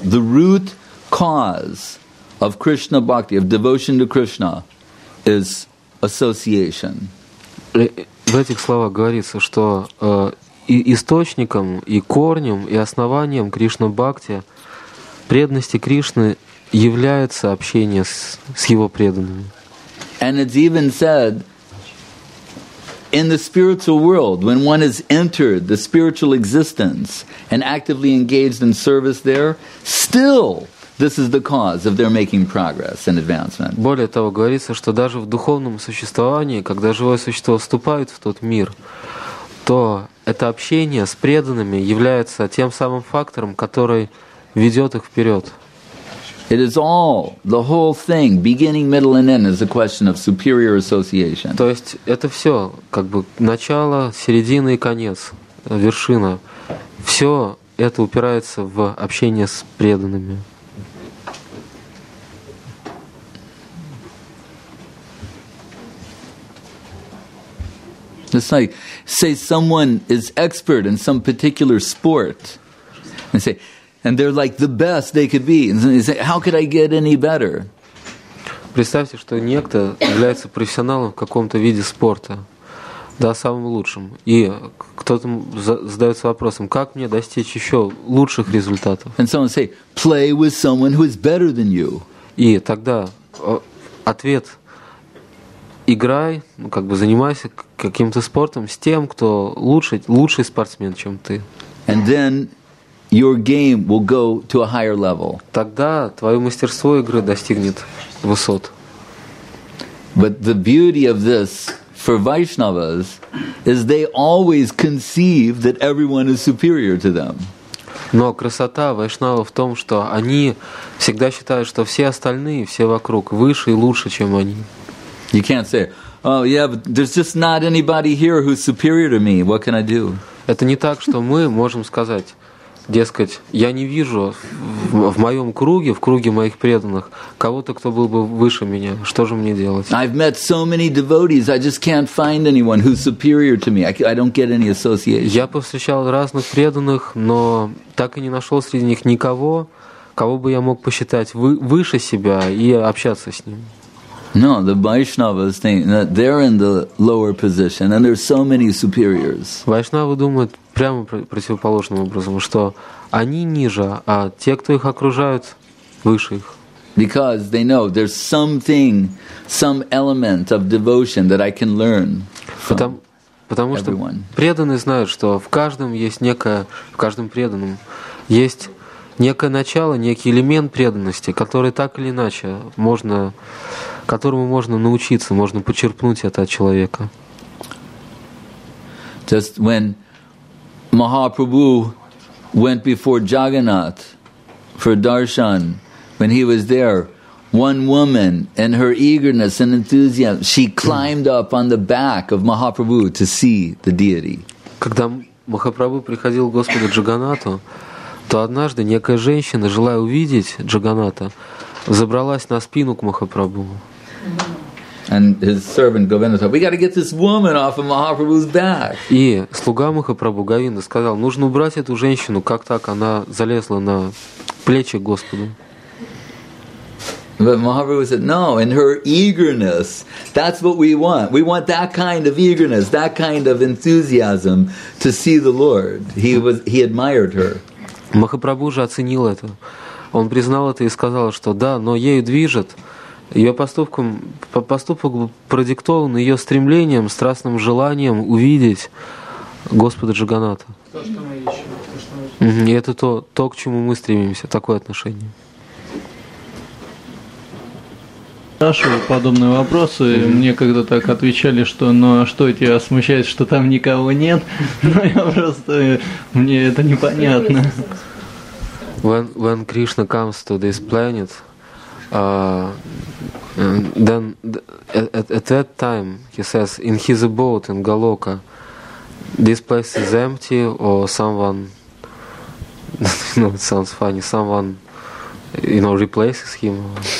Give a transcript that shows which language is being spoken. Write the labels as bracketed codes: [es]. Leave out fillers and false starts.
[en] The root cause of Krishna Bhakti, of devotion to Krishna, is association. [ru] В этих словах говорится, что источником и корнем и основанием Кришна Бхакти, преданности Кришны, является общение с его преданными. [en] And it's even said in the spiritual world, when one has entered the spiritual existence and actively engaged in service there, still this is the cause of their making progress and advancement. [ru] Более того, говорится, что даже в духовном существовании, когда живое существо вступает в тот мир, то это общение с преданными является тем самым фактором, который ведет их вперед. [en] It is all, the whole thing, beginning, middle and end, is a question of superior association. [ru] То есть это все, как бы начало, середина и конец, вершина. Все это упирается в общение с преданными. [en] It's like, say someone is expert in some particular sport, and say, and they're like the best they could be. And they say, how could I get any better? [ru] Представьте, что некто является профессионалом в каком-то виде спорта, да, самым лучшим. И кто-то задается вопросом, как мне достичь еще лучших результатов? [en] And someone say, play with someone who is better than you. [ru] И тогда ответ. Играй, ну как бы занимайся каким-то спортом с тем, кто лучший спортсмен, чем ты. [en] And then your game will go to a higher level. [ru] Тогда твое мастерство игры достигнет высот. [en] But the beauty of this for Vaishnavas is they always conceive that everyone is superior to them. [ru] Но красота Вайшнава в том, что они всегда считают, что все остальные, все вокруг, выше и лучше, чем они. [en] You can't say, oh yeah, but there's just not anybody here who's superior to me. What can I do? [ru] Это не так, что мы можем сказать, дескать, я не вижу в моем круге, в круге моих преданных, кого-то, кто был бы выше меня. Что же мне делать? [en] I've met so many devotees, I just can't find anyone who's superior to me. I don't get any association. [ru] Я повстречал разных преданных, но так и не нашел среди них никого, кого бы я мог посчитать выше себя и общаться с ним. [en] No, the Vaishnavas think that they're in the lower position, and there's so many superiors. [ru] Вайшнавы думают прямо противоположным образом, что они ниже, а те, кто их окружают, выше их. [en] Because they know there's something, some element of devotion that I can learn from everyone. [ru] Потому что преданные знают, что в каждом есть некое, в каждом преданном есть некое начало, некий элемент преданности, который так или иначе можно, которому можно научиться, можно почерпнуть это от человека. [en] Just when Mahaprabhu went before Jagannath for darshan, when he was there, one woman, in her eagerness and enthusiasm, she climbed up on the back of Mahaprabhu to see the deity. [ru] Когда Махапрабху приходил к Господу Джаганнату, то однажды некая женщина, желая увидеть Джаганната, забралась на спину к Махапрабху. [en] And his servant Govinda said, "We got to get this woman off of Mahaprabhu's back." [ru] И слуга Махапрабху Говинда сказал, нужно убрать эту женщину, как так она залезла на плечи Господу. [en] But Mahaprabhu said, "No, in her eagerness, that's what we want. We want that kind of eagerness, that kind of enthusiasm to see the Lord." He admired her. [ru] Махапрабху же оценил это. Он признал это и сказал, что да, но ею движет. Ее поступок продиктован ее стремлением, страстным желанием увидеть Господа Джаганнатха. То, что мы ищем. И это то, к чему мы стремимся, такое отношение. спрашиваю подобные вопросы, мне когда так отвечали, что ну а что тебя смущает, что там никого нет, но я просто, мне это непонятно. [en] When Krishna comes to this planet, then at that time, he says, in his abode in Goloka, this place is empty, or someone, you know, it sounds funny, someone, you know, replaces him.